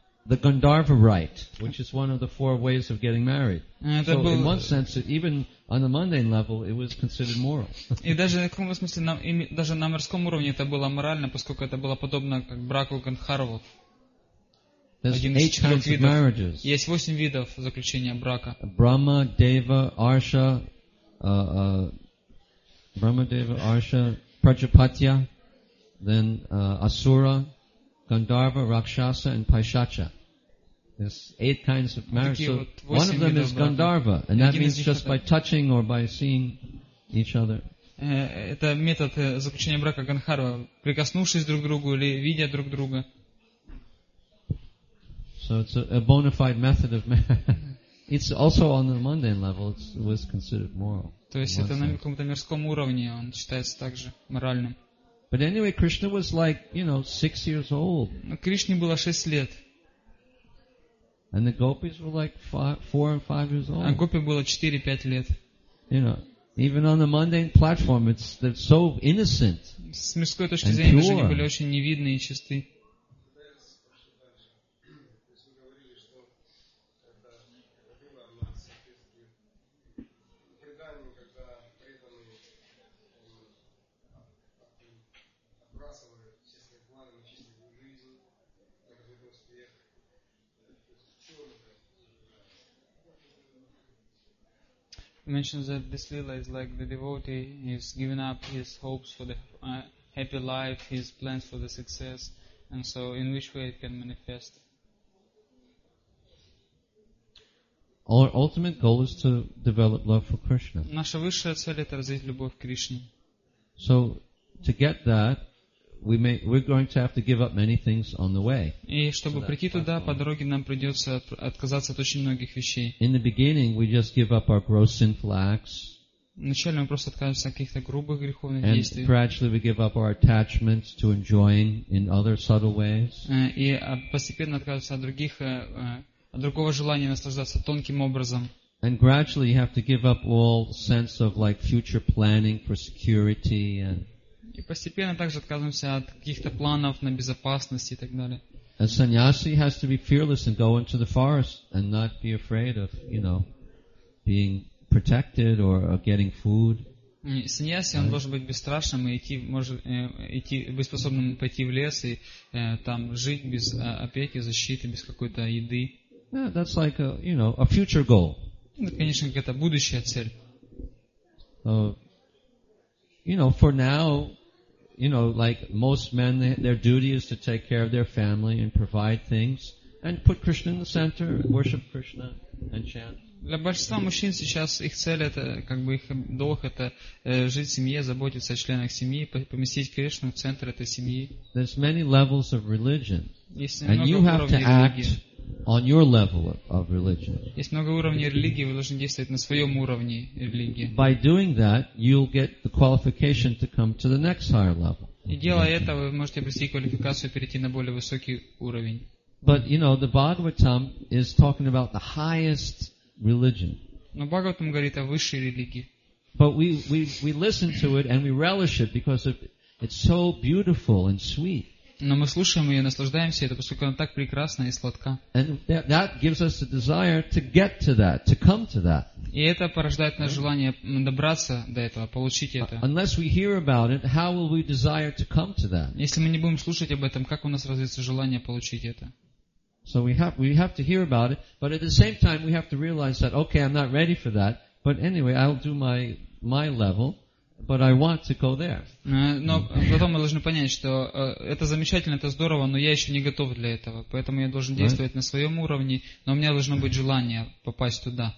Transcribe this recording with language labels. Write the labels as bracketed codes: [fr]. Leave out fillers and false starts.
[en] the Gandharva rite, which is one of the four ways of getting married. So [ru] был... [en] in one sense, it, even on the mundane level, it was considered moral. [ru] И даже в каком-то смысле, даже на морском уровне это было морально, поскольку это было подобно как браку Гандхарву. Есть восемь видов заключения брака. Брахма, Дева, Арша, Брахма, Дева, Арша, Праджапатья, then Асура, Гандхарва, Ракшаса, and Пайшача. [en] There's eight kinds of marriage. So one of them is Гандхарва, and that means just by touching or by seeing each other. [ru] Это метод заключения брака Гандхарва, прикоснувшись друг к другу или видя друг друга. [en] So it's a bona fide method of marriage. It's also on the mundane level, it was considered moral. [ru] То есть это на каком-то мирском уровне он считается также моральным. [en] But anyway, Krishna was like, you know, 6 years old. [ru] Кришне было 6 лет. [en] And the gopis were like 4 and 5 years old. [ru] А гопи было 4-5 лет. [en] You know, even on the mundane platform, they're so innocent. [ru] С мирской точки зрения, даже они были очень невидны и чисты. [en] Mentions that this lila is like the devotee is giving up his hopes for the happy life, his plans for the success, and so in which way it can manifest. Our ultimate goal is to develop love for Krishna. [ru] Наша высшая цель это развить любовь к Кришне. [en] So to get that, we're going to have to give up many things on the way. [ru] И чтобы прийти туда по дороге нам придется отказаться от очень многих вещей. [en] In the beginning, we just give up our gross sinful acts. [ru] Вначале мы просто отказываемся от каких-то грубых греховных действий. [en] And gradually we give up our attachments to enjoying in other subtle ways. [ru] И постепенно отказываемся от других, от другого желания наслаждаться тонким образом. [en] And gradually you have to give up all sense of like future planning for security and. [ru] И постепенно также отказываемся от каких-то планов на безопасность и так далее. [en] A sannyasi has to be fearless and go into the forest and not be afraid of, you know, being protected or getting food. [ru] Sannyasi, он должен быть бесстрашным и идти, быть способным пойти в лес и там жить без опеки, защиты, без какой-то еды. [en] Yeah, that's like a future goal. [ru] Это, конечно, какая-то будущая цель. [en] You know, for now, you know, like most men, their duty is to take care of their family and provide things and put Krishna in the center, worship Krishna and chant. [ru] Для большинства мужчин сейчас их цель это, как бы их долг это жить в семье, заботиться о членах семьи, поместить Кришну в центр этой семьи. [en] There's many levels of religion. [ru] Есть [en] and you have to [ru] религии. [en] Act on your level of religion. [ru] Есть много уровней религии, вы должны действовать на своем уровне религии. [en] By doing that, you'll get the qualification to come to the next higher level. [ru] И делая это, вы можете обрести квалификацию перейти на более высокий уровень. [en] But you know, the Bhagavatam is talking about the highest religion. [ru] Но Бхагаватам говорит о высшей религии. [en] But we listen to it and we relish it because it's so beautiful and sweet. [ru] Но мы слушаем ее, наслаждаемся это, поскольку она так прекрасна и сладка. [en] And that gives us the desire to get to that, to come to that. [ru] И это порождает нас желание добраться до этого, получить это. [en] Unless we hear about it, how will we desire to come to that? [ru] Если мы не будем слушать об этом, как у нас развится желание получить это? [en] So we have to hear about it, but at the same time we have to realize that okay, I'm not ready for that, but anyway, I'll do my level. But I want to go there. [ru] Но потом мы должны понять, что это замечательно, это здорово, но я еще не готов для этого. Поэтому я должен действовать на своем уровне, но у меня должно быть желание попасть туда.